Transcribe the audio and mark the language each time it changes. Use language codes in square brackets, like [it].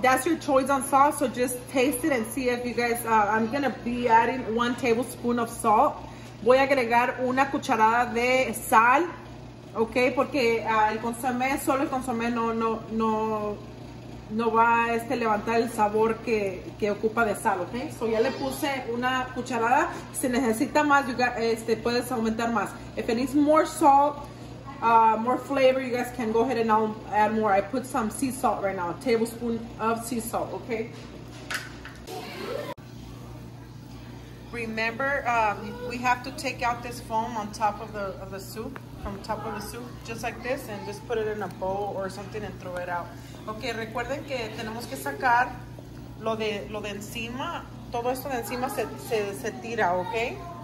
[en] That's your choice on salt, so just taste it and see if you guys, I'm gonna be adding 1 tablespoon of salt. [es] Voy a agregar 1 cucharada de sal, ok, porque el consomé, solo el consomé no va a levantar el sabor que ocupa de sal, ok. So ya le puse 1 cucharada, si necesita más, puedes aumentar más. [en] If it needs more salt, more flavor, you guys can go ahead and add more. I put some sea salt right now, 1 tablespoon of sea salt, ok. Remember, we have to take out this foam on top of the soup, from top of the soup, just like this, and just put it in a bowl or something and throw it out. [es] Okay, recuerden que tenemos que sacar lo de encima, todo esto de encima se tira, okay?